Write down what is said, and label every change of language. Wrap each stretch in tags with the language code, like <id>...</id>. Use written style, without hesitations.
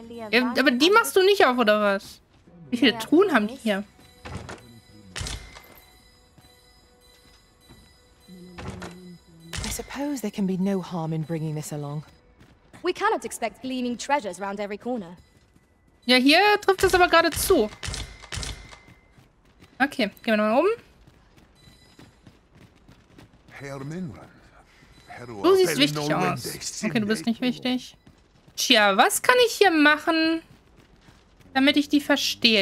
<de>Ja, aber die machst du nicht auf, oder was? Wie viele Truhen haben die hier?</de> <en>I suppose there can be no harm in bringing this along. We cannot expect gleaming treasures round every corner.</en> <de>Ja, hier trifft es aber gerade zu. Okay, gehen wir nochmal oben. Herr Minrand. Du siehst wichtig aus. Okay, du bist nicht wichtig. Tja, was kann ich hier machen, damit ich die verstehe?</de>